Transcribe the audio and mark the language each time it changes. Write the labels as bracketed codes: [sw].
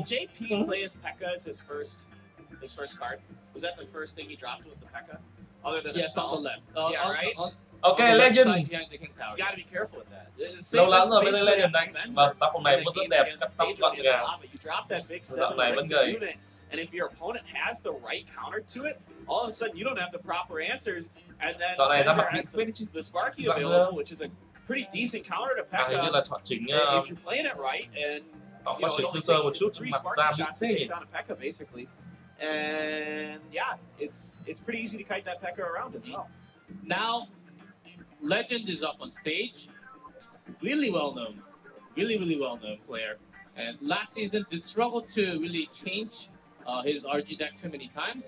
[en] Did JP play as Pekka as his first? His first card was that the first thing he dropped was the Pekka, other than yes, on the left. Okay, on legend. You gotta be careful with that. [vi] Lâu lắm rồi mới lên legend đấy. Vâng, tác phong này vẫn rất đẹp, cắt tóc gọn gàng. Dạo này vẫn gầy. [en] And if your opponent has the right counter to it, all of a sudden you don't have the proper answers, and then [vi] dạo này ra mặt [en] the Sparky available, which is a pretty decent counter to Pekka. [vi] Hình như là chọn chính. [en] If you're playing it right and you know, [vi] chỉ chơi một chút mặt ra bị thế nhỉ? [en] And yeah, it's pretty easy to kite that Pekka around as well. Now, Legend is up on stage. Really well known, really really well known player. And last season did struggle to really change his RG deck too many times.